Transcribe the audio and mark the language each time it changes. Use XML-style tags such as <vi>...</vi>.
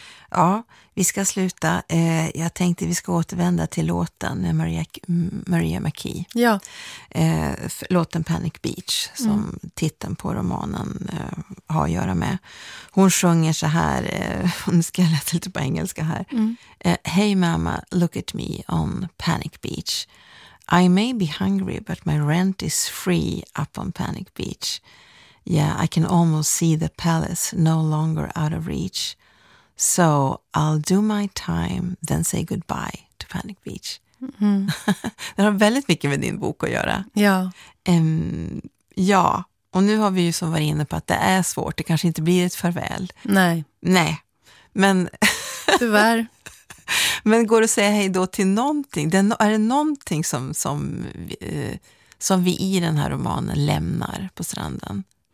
<sv>Ja, vi ska sluta. Jag tänkte vi ska återvända till låten med Maria McKee. Ja. Låten Panic Beach som titeln på romanen har att göra med. Hon sjunger så här, hon ska läsa lite på engelska här.</sv> <en>Hey mama, look at me on Panic Beach. I may be hungry but my rent is free up on Panic Beach. Yeah, I can almost see the palace no longer out of reach. So I'll do my time, then say goodbye to Panic Beach. Mm.</en> <sv>Det har väldigt mycket med din bok att göra. Ja. Ja, och nu har vi ju som varit inne på att det är svårt. Det kanske inte blir ett farväl. Nej. Nej, men... Tyvärr. Men går det att säga hej då till någonting? Är det någonting som vi i den här romanen lämnar på stranden?</sv>